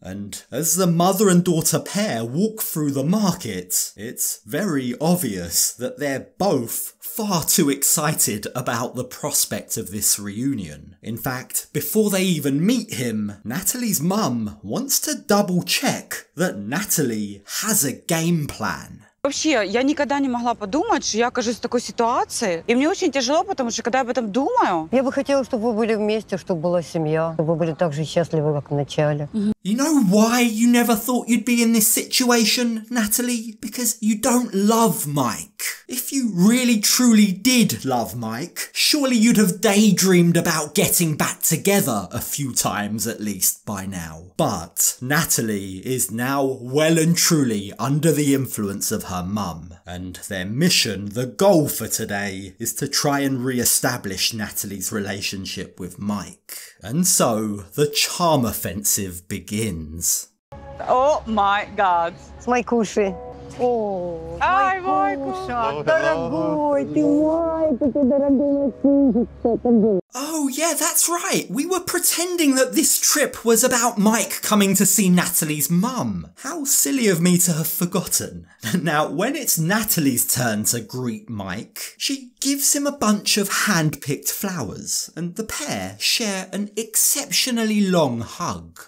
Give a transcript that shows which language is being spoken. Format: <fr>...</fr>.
<en>And as the mother and daughter pair walk through the market, it's very obvious that they're both far too excited about the prospect of this reunion. In fact, before they even meet him, Natalie's mum wants to double check that Natalie has a game plan.</en> <ru>Вообще, я никогда не могла подумать, что я окажусь в такой ситуации. И мне очень тяжело, потому что когда я об этом думаю... Я бы хотела, чтобы вы были вместе, чтобы была семья, чтобы вы были так же счастливы, как в начале.</ru> <en>You know why you never thought you'd be in this situation, Natalie? Because you don't love Mike. If you really truly did love Mike, surely you'd have daydreamed about getting back together a few times at least by now. But Natalie is now well and truly under the influence of her mum, and their mission, the goal for today, is to try and re-establish Natalie's relationship with Mike. And so, the charm offensive begins. Oh my God. It's my kushi. Oh, my kusha.</en> <ru>Дорогой, ты мой, ты дорогой, мой кушек.</ru> <en>Oh, Oh, yeah, that's right. We were pretending that this trip was about Mike coming to see Natalie's mum. How silly of me to have forgotten. Now, when it's Natalie's turn to greet Mike, she gives him a bunch of hand-picked flowers, and the pair share an exceptionally long hug.</en>